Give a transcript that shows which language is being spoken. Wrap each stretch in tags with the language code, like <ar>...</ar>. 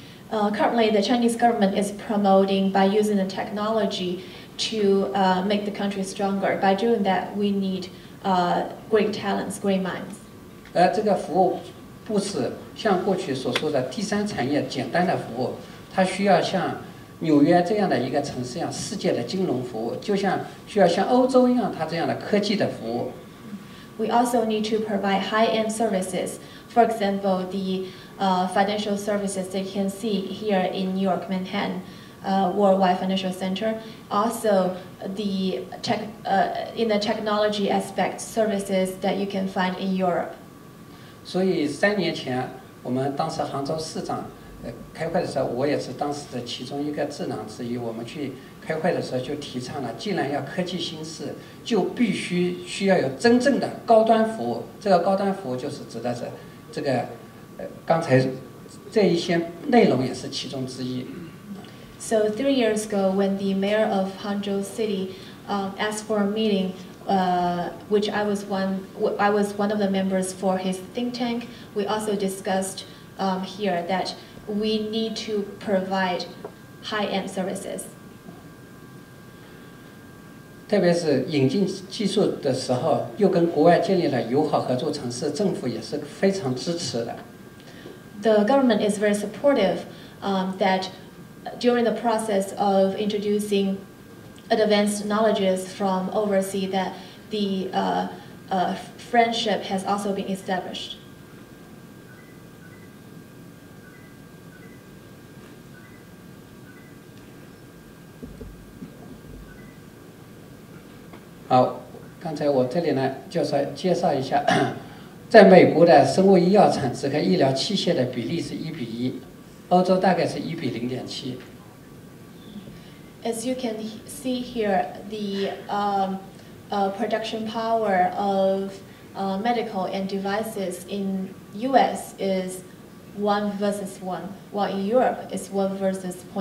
<en>Currently, the Chinese government is promoting by using the technology to make the country stronger. By doing that, we need great talents, great minds.</en> <zh>这个服务不是像过去所说的第三产业简单的服务，它需要像纽约这样的一个城市一样世界的金融服务，就像需要像欧洲一样它这样的科技的服务。</zh> <en>We also need to provide high-end services. For example, the financial services that you can see here in New York, Manhattan, Worldwide Financial Center. Also, in the technology aspect, services that you can find in Europe.</en> <zh>所以三年前，我们当时杭州市长开会的时候，我也是当时的其中一个智囊之一。我们去开会的时候就提倡了，既然要科技兴市，就必须需要有真正的高端服务。这个高端服务就是指的是这个，刚才这一些内容也是其中之一。</zh> <en>So 3 years ago, when the mayor of Hangzhou City asked for a meeting, which I was one of the members for his think tank, we also discussed here that we need to provide high-end services.</en> <zh>特别是引进技术的时候，又跟国外建立了友好合作城市，政府也是非常支持的。</zh> <en>The government is very supportive that during the process of introducing advanced knowledges from overseas, that the friendship has also been established.</en> <zh>好，刚才我这里呢，就是介绍一下。在美国的生物医药产值和医疗器械的比例是1:1，欧洲大概是1:0.7。</zh> <en>As you can see here, the production power of medical and devices in U.S. is 1:1, while in Europe is 1:0.7.</en>